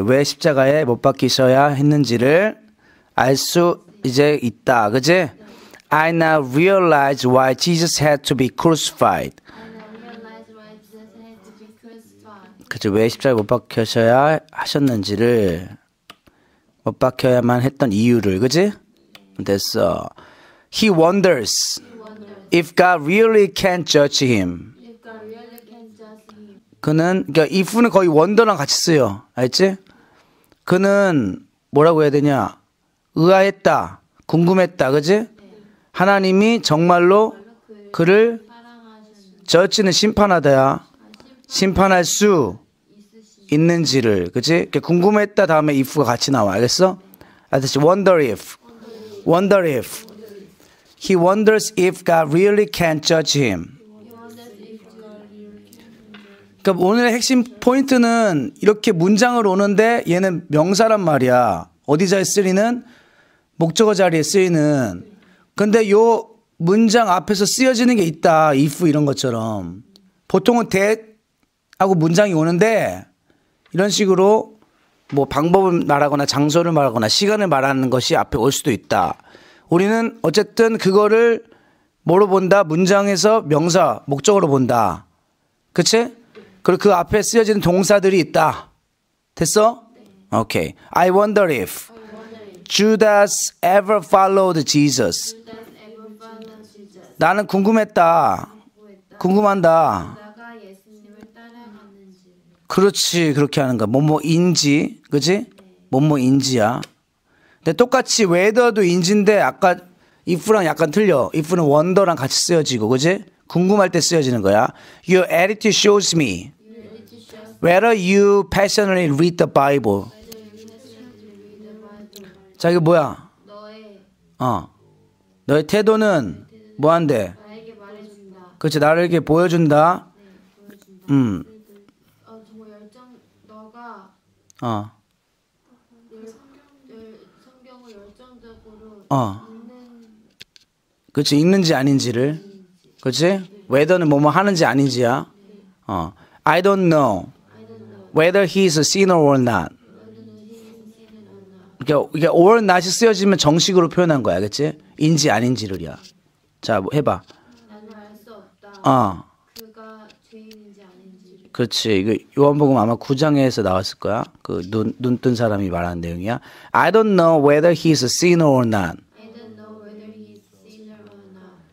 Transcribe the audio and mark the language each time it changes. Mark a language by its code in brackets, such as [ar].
[ko] 왜 십자가에 못 박히셔야 했는지를 알 수 이제 있다. 그지? [en] I now realize why Jesus had to be crucified. [ko] 그죠? 왜 십자가에 못 박혀셔야 하셨는지를, 못 박혀야만 했던 이유를, 그지? 됐어. [en] He wonders if God really can judge him. [ko] 그는, 그러니까 if는 거의 wonder랑 같이 쓰여. 알지? 그는 뭐라고 해야 되냐? 의아했다. 궁금했다. 그지? 하나님이 정말로 그를 저지는 심판하다야. 심판할 수 있는지를. 그치? 궁금했다 다음에 if가 같이 나와. 알겠어? [en] Wonder if. Wonder if. He wonders if God really can judge him. [ko] 그러니까 오늘의 핵심 포인트는 이렇게 문장을 오는데 얘는 명사란 말이야. 어디서 쓰리는? 목적어 자리에 쓰이는. 근데 요 문장 앞에서 쓰여지는 게 있다. if 이런 것처럼. 보통은 that 하고 문장이 오는데 이런 식으로 뭐 방법을 말하거나 장소를 말하거나 시간을 말하는 것이 앞에 올 수도 있다. 우리는 어쨌든 그거를 뭐로 본다? 문장에서 명사, 목적으로 본다. 그치? 그리고 그 앞에 쓰여지는 동사들이 있다. 됐어? 네. [en] Okay. I wonder if Judas ever followed Jesus. [ko] 나는 궁금했다. 궁금한다. 그렇지. 그렇게 하는 거야. 뭐뭐 인지. 그치? 뭐뭐 인지야. 근데 똑같이 whether도 인지인데 아까 if랑 약간 틀려. if는 wonder랑 같이 쓰여지고. 그치? 궁금할 때 쓰여지는 거야. [en] Your attitude shows me whether you passionately read the Bible. [ko] 자, 이거 뭐야? 너의 태도는 뭐 한대? 나에게 말해준다. 그렇지, 나에게 보여준다. 네, 보여준다. 성경을 열정적으로 그렇지, 읽는지 아닌지를. 그렇지? 웨더는 뭐뭐 하는지 아닌지야. 네. [en] I don't know whether he is a sinner or not. [ko] 그러니까 or not이 쓰여지면 정식으로 표현한 거야. 그치? 인지 아닌지를이야. 자, 해봐. 나는 알 수 없다. 그가 죄인인지 아닌지. 그치. 이거 요한복음 아마 9장에서 나왔을 거야. 그 눈 뜬 사람이 말하는 내용이야. [en] I don't know whether he is a sinner or not. I don't know whether he is a sinner or not.